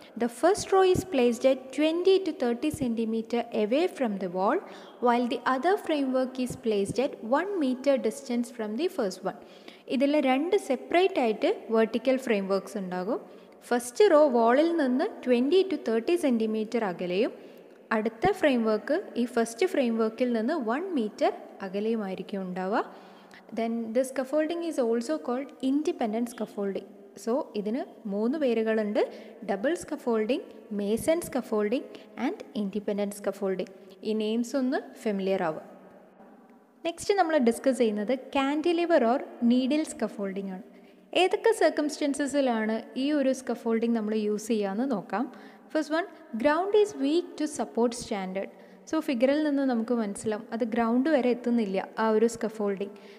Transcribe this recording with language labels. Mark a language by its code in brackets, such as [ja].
[en] The first row is placed at 20 to 30 centimeters away from the wall, while the other framework is placed at 1 meter distance from the first one. [ml] ഇതിൽ രണ്ട് separate ആയിട്ട് vertical frame works ഉണ്ടാകും. First row വാളിൽ നിന്ന് 20 to 30 centimeters അകലെയും അടുത്ത frame work ഈ first frame വർക്കിൽ നിന്ന് 1 meter അകലെയുമായിരിക്കും ഉണ്ടാവുക. [en] Then the scaffolding is also called independent scaffolding. [ml] So, ഇതിന് മൂന്ന് പേരുകളുണ്ട്, double scaffolding, mason scaffolding and independent scaffolding. ഈ നെയിംസ് ഒന്ന് ഫെമിലിയർ ആവുക. നെക്സ്റ്റ് നമ്മൾ ഡിസ്കസ് ചെയ്യുന്നത് കാൻഡിലിവർ ഓർ നീഡിൽ സ്കഫോൾഡിങ് ആണ്. ഏതൊക്കെ സർക്കംസ്റ്റൻസസിലാണ് ഈ ഒരു സ്കഫോൾഡിങ് നമ്മൾ യൂസ് ചെയ്യാമെന്ന് നോക്കാം. [en] First one, ground is weak to support standard. [ml] So ഫിഗറിൽ നിന്ന് നമുക്ക് മനസ്സിലാവും അത് ഗ്രൗണ്ട് വരെ എത്തുന്നില്ല ആ ഒരു സ്കഫോൾഡിങ്.